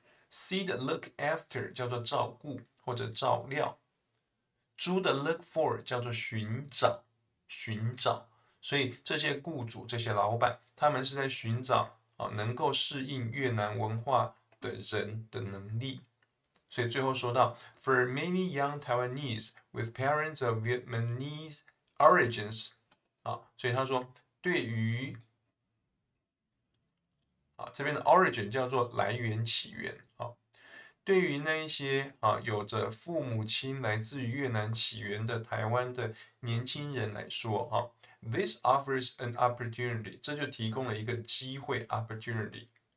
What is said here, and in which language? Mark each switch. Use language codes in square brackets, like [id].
[zh] C 的 look after 叫做照顾或者照料，D 的 look for 叫做寻找，寻找。所以这些雇主、这些老板，他们是在寻找能够适应越南文化的人的能力。所以最后说到， [en] For many young Taiwanese with parents of Vietnamese origins， [zh] 所以他说对于。这边的 origin 叫做来源起源，对于那一些有着父母亲来自于越南起源的台湾的年轻人来说， [en] this offers an opportunity， [zh] 这就提供了一个机会 opportunity，